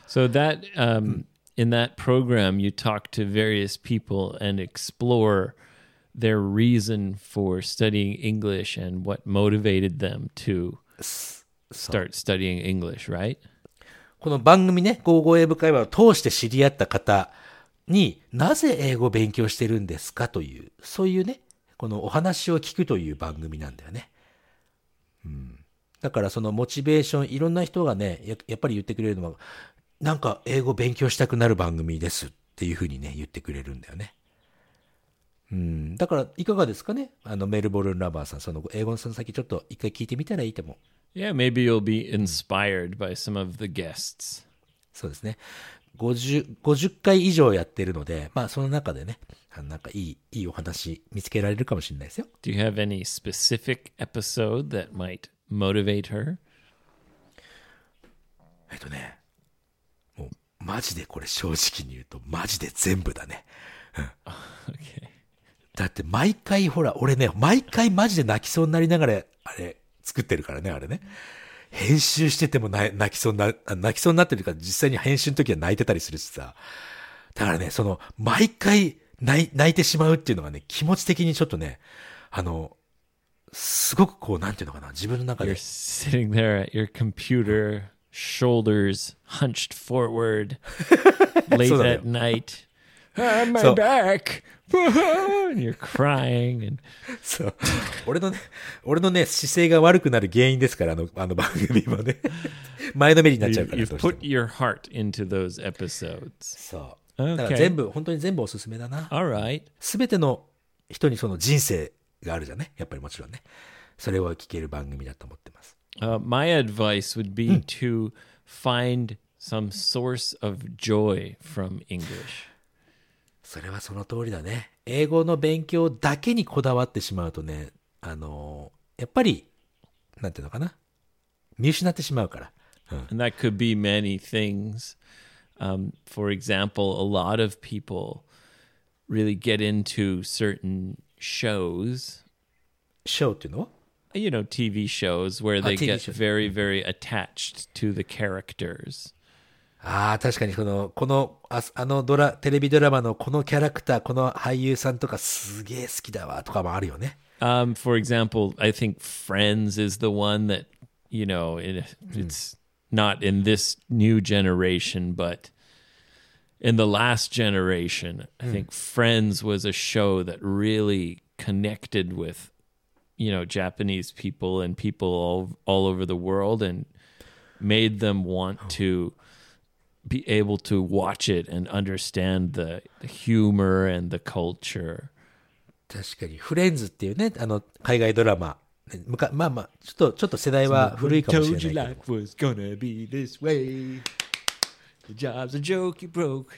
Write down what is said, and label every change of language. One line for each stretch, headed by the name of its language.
English: So that, In that program, you talk to various people and explore their reason for studying English and what motivated them to start studying English, right?
Japanese: この番組ね、ゴーゴー英語会話を通して知り合った方になぜ英語を勉強してるんですかという、そういうね、このお話を聞くという番組なんだよね。だからそのモチベーション、いろんな人がね、やっぱり言ってくれるのは、なんか英語勉強したくなる番組ですっていうふうにね言ってくれるんだよね。だからいかがですかね、メルボルンラバーさん、その英語のその先ちょっと一回聞いてみたらいいと思う。
English: Yeah, maybe you'll be inspired by some of the guests.
Japanese: そうですね、 50回以上やってるので、まあその中でね、なんかいいお話見つけられるかもしれないですよ。
English: Do you have any specific episode that might motivate her?
Japanese: マジでこれ正直に言うとマジで全部だね。
English: okay.
Japanese: だって毎回ほら俺ね、毎回マジで泣きそうになりながらあれ作ってるからね、あれね、編集してても泣きそうになってるから、実際に編集の時は泣いてたりするしさ、だからね、その毎回泣いてしまうっていうのがね、気持ち的にちょっとね、すごくこうなんていうのかな、自分の中で
English: You're sitting there at your computerShoulders hunched forward late at night. I'm my back. And you're crying. And...
Japanese: そう。俺のね、姿勢が悪くなる原因ですから、あの番組もね。前のめりになっちゃうから。
English: You've put your heart into those episodes.
Japanese: そう。だから全部、本当に全部おすすめだな。
English: All right.
Japanese: 全ての人にその人生があるじゃんね。やっぱりもちろんね。それを聞ける番組だと思ってます。
English: My advice would be to find some source of joy from English.
Japanese: それはその通りだね。英語の勉強だけにこだわってしまうとね、やっぱり、なんていうのかな、見失ってしまうから。
English: And that could be many things. For example, a lot of people really get into certain shows.
Japanese: Show っていうの？
English: You know, TV shows where they get very, very attached to the characters.
Japanese: ああ、確かにこの、テレビドラマのこのキャラクター、この俳優さんとかすげえ好きだわとかもあるよね。
English: For example, I think Friends is the one that, you know, it's not in this new generation, but in the last generation, I think Friends was a show that really connected with you know, Japanese people and people all over the world and made them want to be able to watch it and understand the humor and the culture.
Japanese: 確かに、フレンズっていうね、海外ドラマ。まあまあ、ちょっと世代は古いかもしれないけど。
English: Told you life was gonna be this way. Your job's a joke you broke.